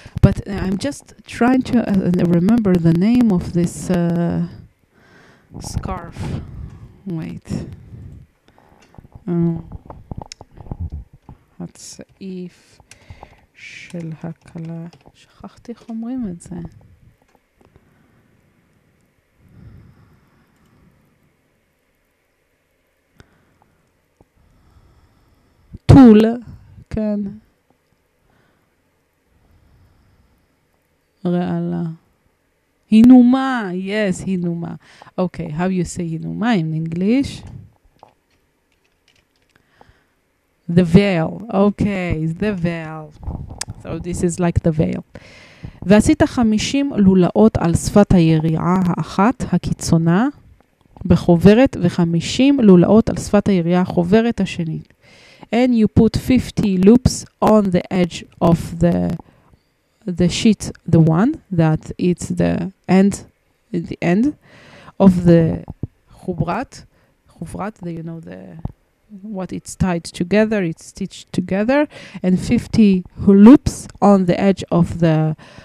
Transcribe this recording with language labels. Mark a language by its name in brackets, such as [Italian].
[English] But I'm just trying to remember the name of this scarf. Wait. That's if [Hebrew] של הקלה, שכחתי איך אומרים את זה. טול, כן. רעלה. הינומה, yes, הינומה. [English] Okay, how you say הינומה in English? The veil. Okay, the veil. So this is like the veil. [Hebrew] ועשית 50 לולאות על שפת היריעה האחת, הקיצונה, בחוברת, ו-50 לולאות על שפת היריעה החוברת השנית. [English] And you put 50 loops on the edge of the sheet, the one that it's the end of the chuvrat, you know, the what it's tied together, it's stitched together, and 50 loops on the edge of the